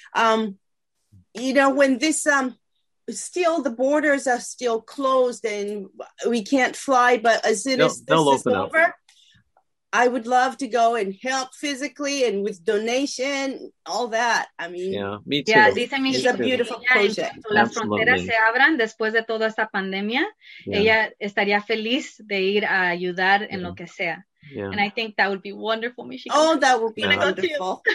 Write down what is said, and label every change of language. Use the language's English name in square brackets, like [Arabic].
[English] You know, when this still the borders are still closed and we can't fly, but as soon as this is over. I would love to go and help physically and with donation, all that. I mean, yeah, me too. [Spanish] Yeah, dice mi hija, [English] it's a beautiful project. [Spanish] Las fronteras se abran después de toda esta pandemia. Yeah. Ella estaría feliz de ir a ayudar en lo que sea. [English] Yeah. And I think that would be wonderful, Michigan. Oh, that would be wonderful.